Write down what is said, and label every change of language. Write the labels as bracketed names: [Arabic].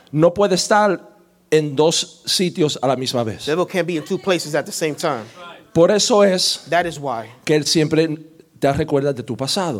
[Spanish] no puede estar en dos sitios a la misma vez. [English] The devil can't be in two places at the same time. [Spanish] Por eso es [English] that is why [Spanish] que él siempre te recuerda de tu pasado.